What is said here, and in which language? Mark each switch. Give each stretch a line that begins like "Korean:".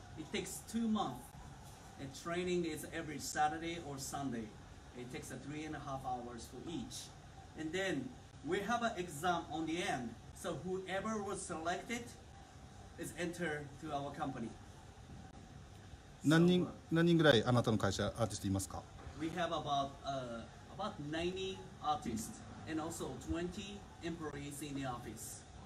English: It takes 2 months. And training is every Saturday or Sunday. It takes 3.5 hours for each. And then we have an exam on the end. So whoever was selected is entered to our company.
Japanese: 何人ぐらいあなたの会社アーティストいますか?
English: We have about 90 artists and also 20 employees in the office.